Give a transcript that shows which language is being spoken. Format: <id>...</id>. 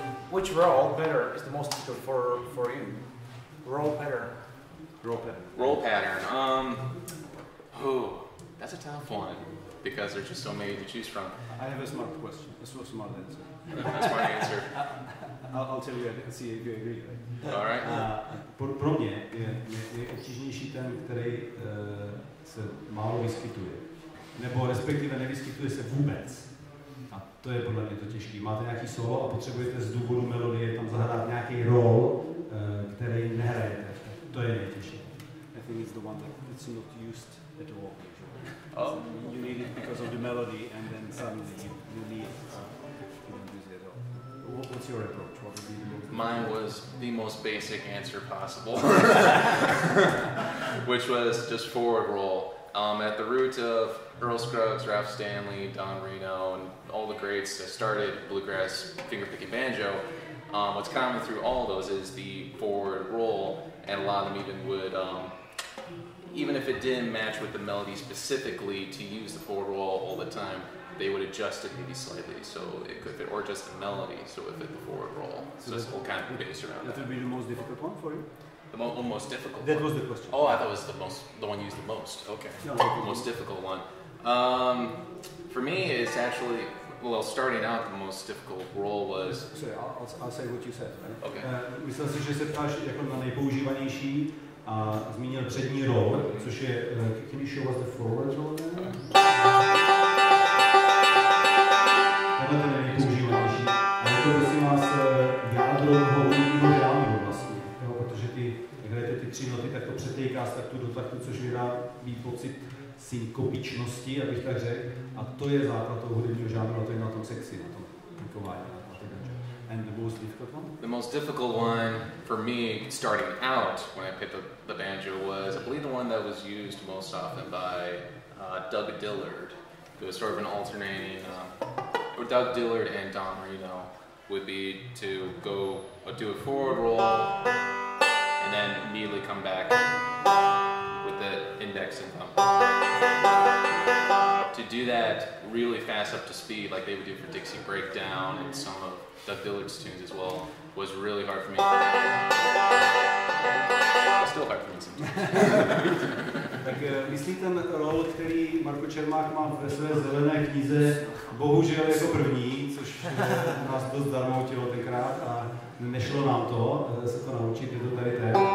<en>Which role better is the most difficult for you? Role better. Role pattern. That's a tough one because there's just so many to choose from. I have a smart question. A smart answer. That's my answer. I'll tell you and see if you agree. Alright.</en> <cs>Pro mě je obtížnější ten, který se málo vyskytuje. Nebo respektive nevyskytuje se vůbec. A to je podle mě to těžký. Máte nějaký solo a potřebujete z důvodu melodie tam zahrát nějaký rol, který nehrajete. To je nejtěžší.</cs> <en>I think it's the one that it's not used at all. You need it because of the melody, and then suddenly you need it. You don't use it at all. What's your approach? What would be the most? Mine was the most basic answer possible, which was just forward roll. At the root of Earl Scruggs, Ralph Stanley, Don Reno, and all the greats that started bluegrass fingerpicking banjo, what's common through all those is the forward roll. And a lot of them even if it didn't match with the melody specifically to use the forward roll all the time, they would adjust it maybe slightly so it could fit, or just the melody so it fit the forward roll. So this whole kind of base around that. That would be the most difficult one for you? The most difficult that That was the question. Oh, I thought it was the one used the most. Okay. No, the most difficult one. For me, it's actually, well, starting out, the most difficult role was... Sorry, I'll say what you said. Right? Okay.</en> <cs>Myslel si, že se ptáš jako na nejpoužívanější a zmínil přední role, což je...</cs> <en>Can you show us the forward role then? Okay.</en> <cs>Tohle ten je nejpoužívanější. Ale to prosím vás jádro hlavního žánru vlastně. Jo, protože ty, jak hrajete ty tři noty, tak to přetejká z taktu do taktu, což vyrábí pocit synkopičnosti, abych tak řekl. A to je základ toho hudebního žánru, a to je na tom sexy, na tom klikování.</cs> <en>And the most difficult one? The most difficult one for me starting out when I picked up the banjo was, I believe, the one that was used most often by Doug Dillard. It was sort of an alternating, Doug Dillard and Don Reno would be to go do a forward roll and then immediately come back with the index and thumb. To do that really fast up to speed, like they would do for Dixie Breakdown and some of Doug Dillard's tunes as well, was really hard for me. Still hard for me sometimes.</en> <cs>Tak myslí ten rol, který Marko Čermák má ve své zelené knize, bohužel jako první, což nás dost zarmoutilo tenkrát a nešlo nám to se to naučit, je to tady ten.</cs>